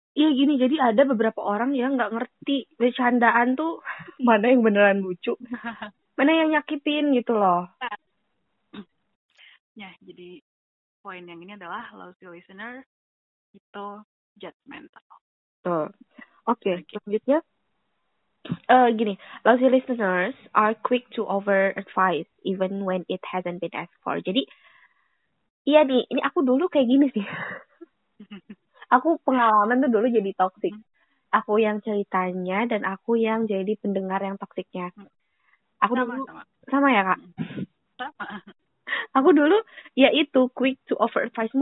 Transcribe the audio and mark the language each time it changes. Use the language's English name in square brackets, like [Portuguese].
[Indonesian] Iya gini, jadi ada beberapa orang yang gak ngerti bercandaan tuh mana yang beneran lucu, mana yang nyakitin gitu loh. Ya jadi poin yang ini adalah lousy listener itu judgmental. Okay. Selanjutnya. [English] Gini, lousy listeners are quick to over advise even when it hasn't been asked for. [Indonesian] Jadi, iya nih, ini aku dulu kayak gini sih. Aku pengalaman tuh dulu jadi toxic. Aku yang ceritanya dan aku yang jadi pendengar yang toxicnya. Aku sama, dulu sama. Sama ya, Kak? Sama. Aku dulu, ya itu, [English] quick to over advice.